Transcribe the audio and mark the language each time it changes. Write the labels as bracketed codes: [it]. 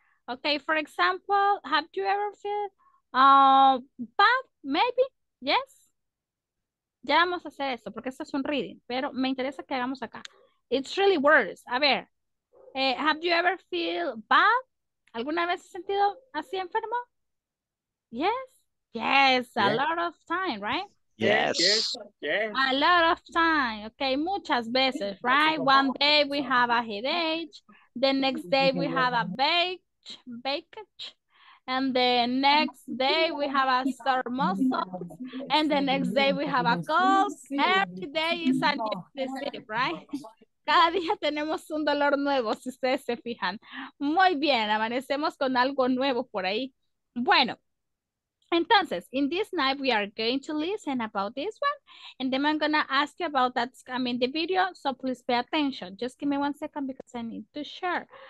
[en] Okay, for example, have you ever felt bad? Maybe, yes? [es] Ya vamos a hacer esto, porque esto es un reading, pero me interesa que hagamos acá. [en] It's really worse. [es] A ver, [en] have you ever feel bad? [es] ¿Alguna vez has sentido así enfermo? [en] Yes. Yes, a lot of time, right? Yes. A lot of time. Okay, [es] muchas veces, [en] right? One day we have a headache. The next day we have a baggage. And the next day we have a sore muscle. And the next day we have a cold. Every day is a disease, right? [es] Cada día tenemos un dolor nuevo, si ustedes se fijan. Muy bien, amanecemos con algo nuevo por ahí. Bueno. Entonces, [en] in this night, we are going to listen about this one. And then I'm going to ask you about that, I mean, the video. So please pay attention. Just give me 1 second because I need to share.